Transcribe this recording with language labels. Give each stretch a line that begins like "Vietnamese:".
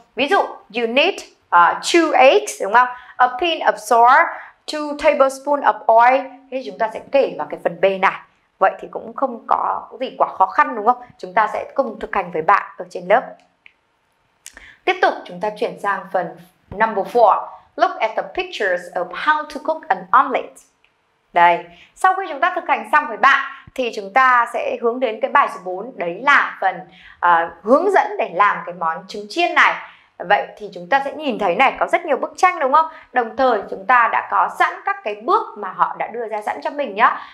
English: Ví dụ, you need 2 eggs
Vietnamese: đúng không?
English: A pinch of salt, 2 tablespoons of oil.
Vietnamese: Thế chúng ta sẽ kể vào cái phần B này. Vậy thì cũng không có gì quá khó khăn đúng không? Chúng ta sẽ cùng thực hành với bạn ở trên lớp. Tiếp tục chúng ta chuyển sang phần number 4.
English: Look at the pictures of how to cook an omelet.
Vietnamese: Đây, sau khi chúng ta thực hành xong với bạn thì chúng ta sẽ hướng đến cái bài số 4. Đấy là phần hướng dẫn để làm cái món trứng chiên này. Vậy thì chúng ta sẽ nhìn thấy này, có rất nhiều bức tranh đúng không? Đồng thời chúng ta đã có sẵn các cái bước mà họ đã đưa ra sẵn cho mình nhá.